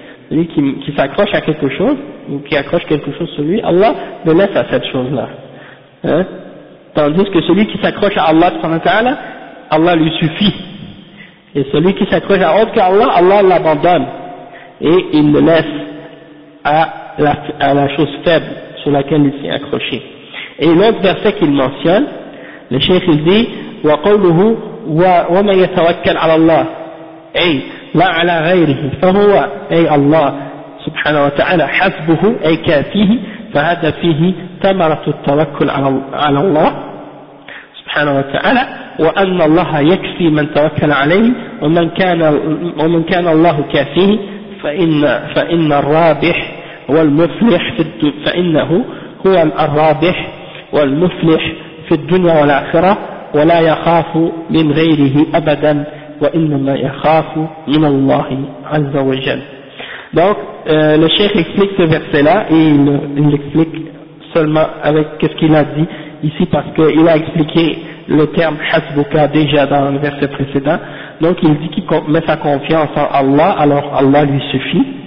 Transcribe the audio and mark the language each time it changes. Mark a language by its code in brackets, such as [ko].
[fr] Celui qui s'accroche à quelque chose, ou qui accroche quelque chose sur lui, Allah le laisse à cette chose-là. Hein? Tandis que celui qui s'accroche à Allah subhanahu wa ta'ala, Allah lui suffit. Et celui qui s'accroche à autre qu'Allah, Allah l'abandonne. Et il le laisse à la chose faible sur laquelle il s'est accroché. Et l'autre verset qu'il mentionne, le cheikh il dit, [ar] وقوله ومن يتوكل على الله اي لا على غيره فهو اي الله سبحانه وتعالى حسبه اي كافيه فهذا فيه ثمرة التوكل على الله سبحانه وتعالى وان الله يكفي من توكل عليه ومن كان الله كافيه فان الرابح والمفلح فانه هو الرابح والمفلح في الدنيا والاخره ولا يخاف من غيره ابدا وانما يخاف من الله عز وجل. [fr] Donc le cheikh explique ce verset là et il l'explique seulement avec qu'est-ce qu'il a dit ici, parce qu'il a expliqué le terme hasbuka déjà dans le verset précédent. Donc il dit qu'il met sa confiance en Allah, alors Allah lui suffit.